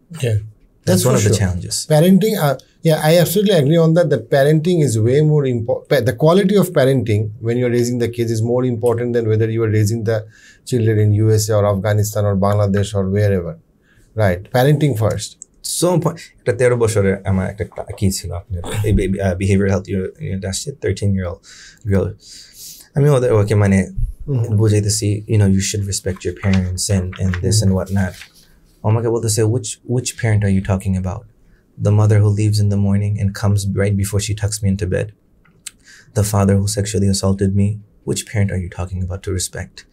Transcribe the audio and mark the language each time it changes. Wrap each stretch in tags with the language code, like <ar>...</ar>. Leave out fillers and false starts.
<en>Yeah. That's one of the challenges. Parenting, Yeah, I absolutely agree on that. That parenting is way more important. The quality of parenting when you're raising the kids is more important than whether you are raising the children in USA or Afghanistan or Bangladesh or wherever. Right. Parenting first. So important.</en> <bn>13 বছরে আমার একটা কি ছিল আপনি</bn> <en>behavioral health industry, 13-year-old girl.</en> <bn>আমি ওদের ওকে মানে বুঝাইতেছি,</bn> <en>you know, you should respect your parents and this and whatnot.</en> <bn>আমাকে বলতেছে,</bn> <en>which parent are you talking about? The mother who leaves in the morning and comes right before she tucks me into bed. The father who sexually assaulted me. Which parent are you talking about to respect?</en>